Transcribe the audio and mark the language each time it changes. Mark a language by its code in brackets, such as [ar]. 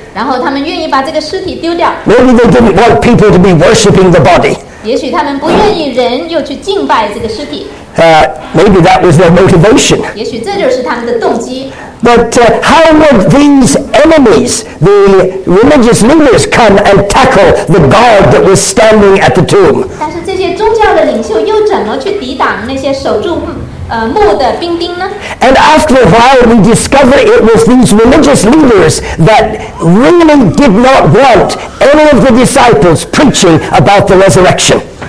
[zh] 然后他们愿意把这个尸体丢掉。 [en] Maybe they didn't want people to be worshiping the body. [zh] 也许他们不愿意人又去敬拜这个尸体。 [en] Maybe that was their motivation. [zh] 也许这就是他们的动机。 [en] But how would these enemies, the religious leaders, come and tackle the guard that was standing at the tomb? [zh] 但是这些宗教的领袖又怎么去抵挡那些守住墓的兵丁呢？ [en] And after a while, we discover it was these religious leaders that really did not want. Any of the disciples preaching about the resurrection.